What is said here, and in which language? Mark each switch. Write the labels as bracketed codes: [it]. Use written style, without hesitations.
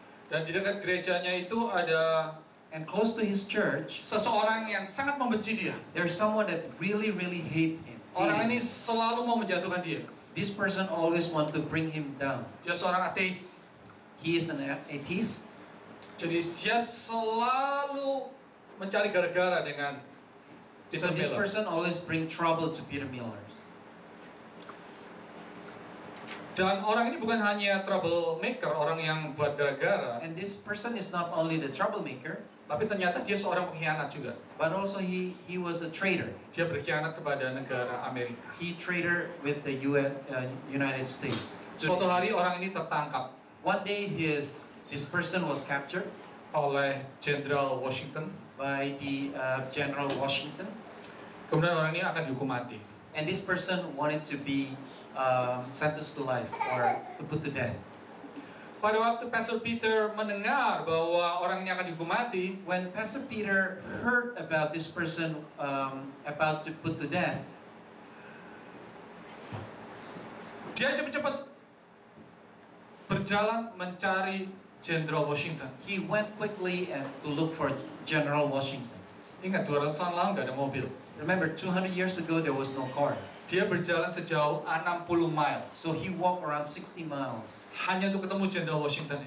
[id] Dan di dekat gerejanya itu ada [en] and close to his church, [id] seseorang yang sangat membenci dia. [en] There's someone that really really hate him. [id] Orang ini selalu mau menjatuhkan dia. [en] This person always want to bring him down. [id] Dia seorang ateis. [en] He is an atheist. [id] Jadi dia selalu mencari gara-gara dengan Peter [en] so this Miller. Person always bring trouble to Peter Miller. [id] Dan orang ini bukan hanya troublemaker, orang yang buat gara-gara. [en] And this person is not only the troublemaker, [id] tapi ternyata dia seorang pengkhianat juga. [en] But also he was a traitor. [id] Dia berkhianat kepada negara Amerika. [en] He traitor with the United States. [id] Suatu hari orang ini tertangkap. [en] One day this person was captured [id] oleh Jenderal Washington. [en] By the General Washington. [id] Kemudian orang ini akan dihukum mati. [en] And this person wanted to be sentenced to life or to put to death. [id] Pada waktu Pastor Peter mendengar bahwa orang ini akan dihukum mati, [en] when Pastor Peter heard about this person about to put to death, [id] dia cepat-cepat berjalan mencari Jenderal Washington. [en] He went quickly and to look for General Washington. [id] Ingat 200 tahun lalu enggak ada mobil. [en] Remember 200 years ago there was no car. [id] Dia berjalan sejauh 60 miles. [en] So he walked around 60 miles. [id] Hanya untuk ketemu Jenderal Washington.